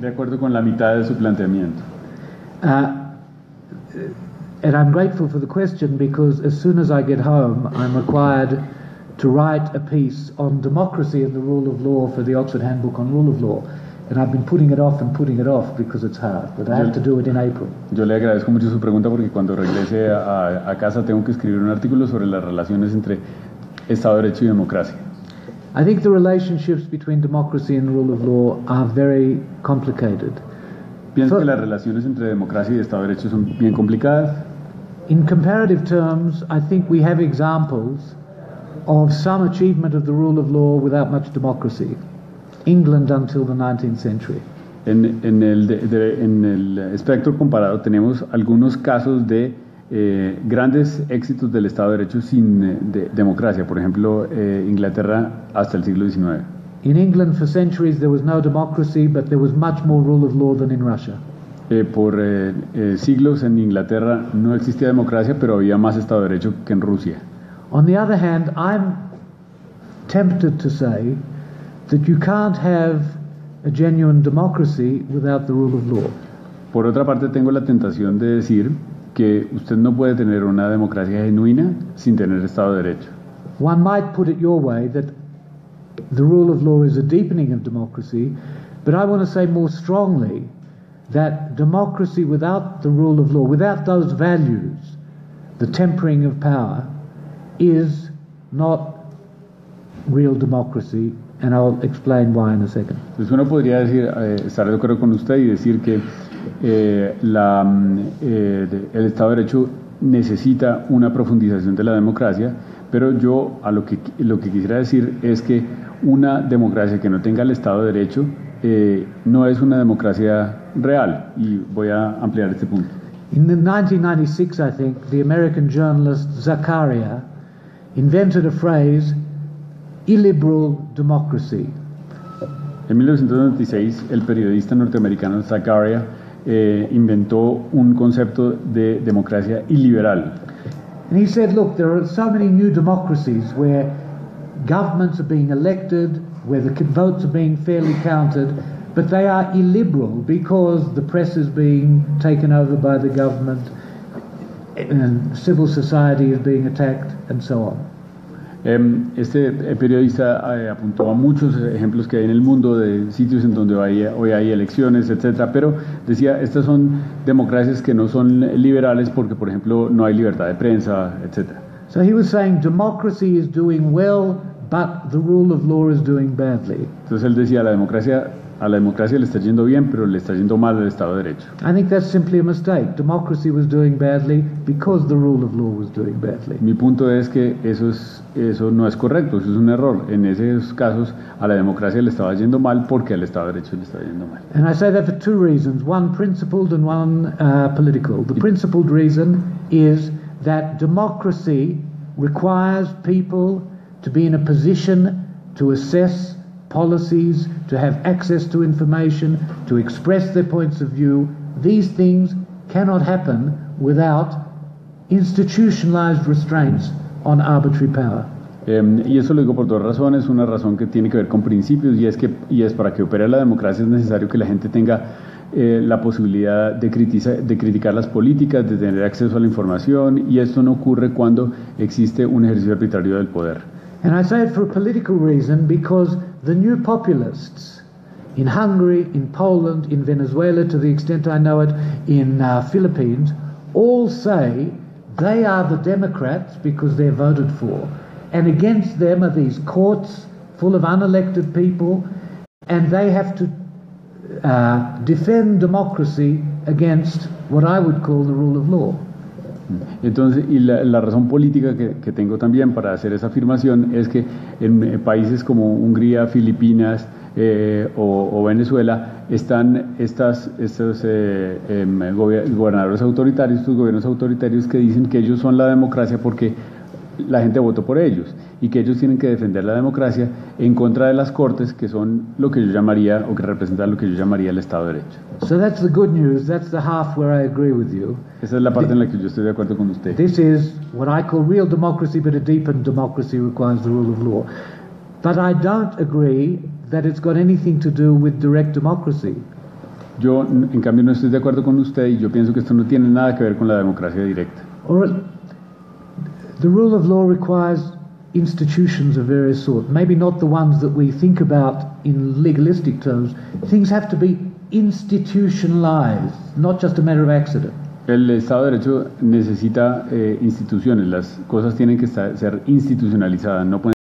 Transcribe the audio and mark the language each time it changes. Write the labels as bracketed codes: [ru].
[es] De acuerdo con la mitad de su planteamiento. [en] And I'm grateful for the question because as soon as I get home, I'm required to write a piece on democracy and the rule of law for the Oxford Handbook on Rule of Law. And I've been putting it off and putting it off because it's hard, but I have to do it in April. [es] Yo le agradezco mucho su pregunta porque cuando regrese a casa tengo que escribir un artículo sobre las relaciones entre Estado de Derecho y democracia. [en] I think the relationships between democracy and rule of law are very complicated. [es] Pienso que las relaciones entre democracia y Estado de Derecho son bien complicadas. [en] In comparative terms, I think we have examples of some achievement of the rule of law without much democracy. England until the 19th century. [es] En el espectro comparado tenemos algunos casos de grandes éxitos del Estado de Derecho sin democracia. Por ejemplo, Inglaterra hasta el siglo XIX. [en] In England for centuries there was no democracy, but there was much more rule of law than in Russia. [es] Siglos en Inglaterra no existía democracia, pero había más Estado de Derecho que en Rusia. [en] On the other hand, I'm tempted to say that you can't have a genuine democracy without the rule of law. [es] Por otra parte, tengo la tentación de decir que usted no puede tener una democracia genuina sin tener Estado de Derecho. [en] One might put it your way that the rule of law is a deepening of democracy, but I want to say more strongly that democracy without the rule of law, without those values, the tempering of power, is not real democracy. And I'll explain why in a second. [es] Pues uno podría decir, estar de acuerdo con usted y decir que el Estado de Derecho necesita una profundización de la democracia, pero yo lo que quisiera decir es que una democracia que no tenga el Estado de Derecho no es una democracia real, y voy a ampliar este punto. [en] In 1996, I think, the American journalist Zakaria invented a phrase, illiberal democracy. [es] En 1996, el periodista norteamericano Zakaria inventó un concepto de democracia iliberal. [en] And he said, look, there are so many new democracies where governments are being elected, where the votes are being fairly counted, but they are illiberal because the press is being taken over by the government and civil society is being attacked and so on. [es] Este periodista apuntó a muchos ejemplos que hay en el mundo de sitios en donde hoy hay elecciones, etcétera, pero decía estas son democracias que no son liberales porque, por ejemplo, no hay libertad de prensa, etcétera. [en] So he was saying democracy is doing well, but the rule of law is doing badly. [es] Entonces él decía a la democracia le está yendo bien, pero le está yendo mal el Estado de Derecho. [en] I think that's simply a mistake. Democracy was doing badly because the rule of law was doing badly. [es] Mi punto es que eso no es correcto, eso es un error. En esos casos, a la democracia le estaba yendo mal porque al Estado de Derecho le estaba yendo mal. [en] And I say that for two reasons, one principled and one political. The principled reason is that democracy requires people to be in a position to assess policies, to have access to information, to express their points of view. These things cannot happen without institutionalized restraints on arbitrary power. [es] Y eso lo digo por dos razones. Una razón que tiene que ver con principios y es para que opere la democracia es necesario que la gente tenga la posibilidad de criticar las políticas, de tener acceso a la información, y esto no ocurre cuando existe un ejercicio arbitrario del poder. [en] And I say it for a political reason because the new populists in Hungary, in Poland, in Venezuela, to the extent I know it, in Philippines, all say they are the Democrats because they're voted for. And against them are these courts full of unelected people, and they have to defend democracy against what I would call the rule of law. [es] Entonces, y la razón política que tengo también para hacer esa afirmación es que en países como Hungría, Filipinas o Venezuela están gobernadores autoritarios, estos gobiernos autoritarios que dicen que ellos son la democracia porque la gente votó por ellos y que ellos tienen que defender la democracia en contra de las cortes, que son lo que yo llamaría, o que representan lo que yo llamaría, el Estado de Derecho. [en] So that's the good news, that's the half where I agree with you. [es] Esa es la parte en la que yo estoy de acuerdo con usted. [en] This is what I call real democracy, but a deepened democracy requires the rule of law. But I don't agree that it's got anything to do with direct democracy. [es] Yo, en cambio, no estoy de acuerdo con usted y yo pienso que esto no tiene nada que ver con la democracia directa. [en] The rule of law requires institutions of various sorts, maybe not the ones that we think about in legalistic terms. Things have to be institutionalized, not just a matter of accident. [es] El Estado de Derecho necesita instituciones. Las cosas tienen que ser institucionalizadas, no pueden